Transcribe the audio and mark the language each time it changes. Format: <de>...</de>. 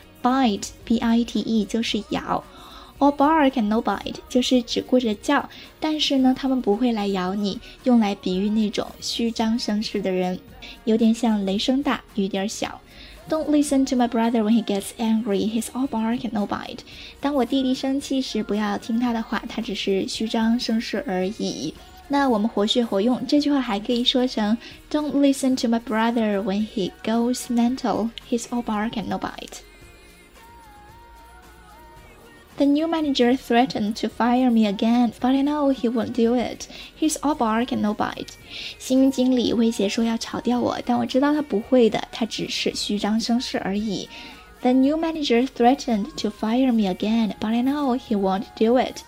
<zh>Bite, B-I-T-E, 就是咬。</zh> <en>All bark and no bite,</en> <zh>就是只顾着叫，但是呢，他们不会来咬你，用来比喻那种虚张声势的人，有点像雷声大，雨点小。</zh> <en>Don't listen to my brother when he gets angry, he's all bark and no bite.</en> <zh>当我弟弟生气时，不要听他的话，他只是虚张声势而已。那我们活学活用，这句话还可以说成</zh> <en>Don't listen to my brother when he goes mental, he's all bark and no bite. The new manager threatened to fire me again, but I know he won't do it. He's all bark and no bite.</en> <zh>新经理威胁说要炒掉我，但我知道他不会的，他只是虚张声势而已。</zh> <en>The new manager threatened to fire me again, but I know he won't do it.</en>